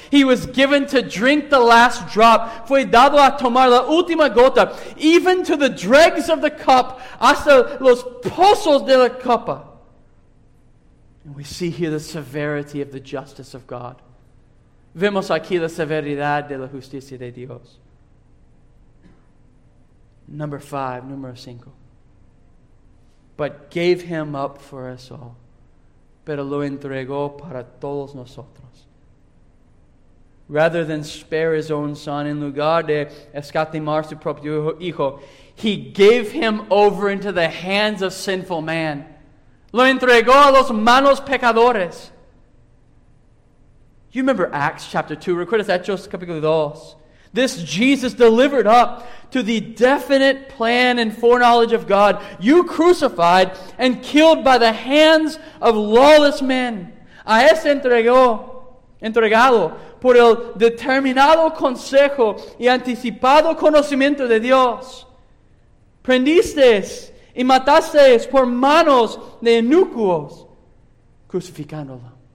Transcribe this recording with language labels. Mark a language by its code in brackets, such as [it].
[en] He was given to drink the last drop. [es] Fue dado a tomar la última gota. [en] Even to the dregs of the cup. [es] Hasta los pozos de la copa. [en] And we see here the severity of the justice of God. [es] Vemos aquí la severidad de la justicia de Dios. [en] Number 5, [es] numero 5. [en] But gave him up for us all. [es] Pero lo entregó para todos nosotros. [en] Rather than spare his own son, [es] en lugar de escatimar su propio hijo, [en] he gave him over into the hands of sinful man. [es] Lo entregó a los manos pecadores. [en] You remember Acts chapter 2. [es] Recuerdas Hechos capítulo 2. [en] This Jesus delivered up to the definite plan and foreknowledge of God, you crucified and killed by the hands of lawless men. [es] A ese entregado por el determinado consejo y anticipado conocimiento de Dios. Prendisteis y matasteis por manos de inúcuos, crucificándolo.